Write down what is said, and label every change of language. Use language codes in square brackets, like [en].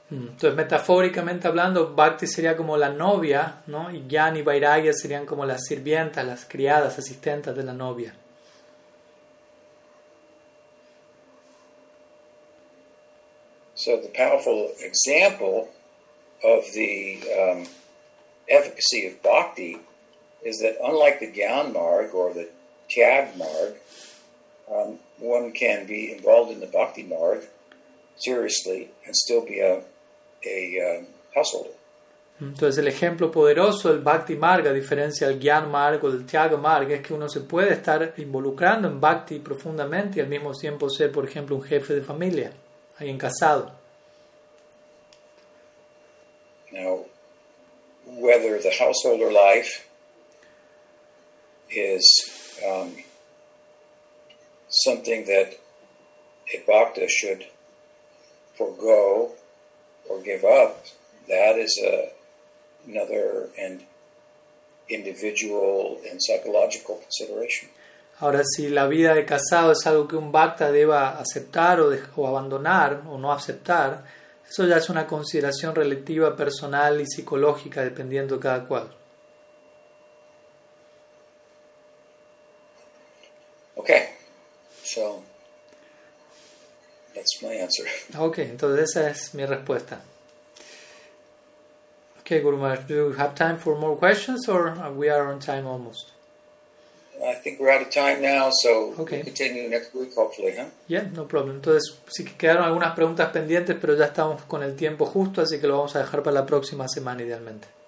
[es] Entonces, metafóricamente hablando, bhakti sería como la novia, ¿no? Y jnana y vairagya serían como las sirvientas, las criadas, asistentas de la novia. [en] So the powerful example of the efficacy of bhakti is that, unlike the Gyan Marg or the Tyag Marg, one can be involved in the Bhakti Marg seriously and still be a householder. [es] Entonces, el ejemplo poderoso del Bhakti Marg, a diferencia del Gyan Marg o del Tyag Marg, es que uno se puede estar involucrando en bhakti profundamente y al mismo tiempo ser, por ejemplo, un jefe de familia, alguien casado. [en] Now, whether the householder life is something that a bhakta should forego or give up, that is another and individual and psychological consideration. [es] Ahora, si la vida de casado es algo que un bhakta deba aceptar o abandonar o no aceptar, eso ya es una consideración relativa, personal y psicológica, dependiendo de cada cual. [en] Okay, so that's my answer. [es] Okay, entonces esa es mi respuesta. [en] Okay, Guru Maharaj, do we have time for more questions, or we are on time almost? I think we're out of time now, so okay. We'll continue next week, hopefully, huh? Yeah, no problem. [es] Entonces, sí que quedaron algunas preguntas pendientes, pero ya estamos con el tiempo justo, así que lo vamos a dejar para la próxima semana, idealmente.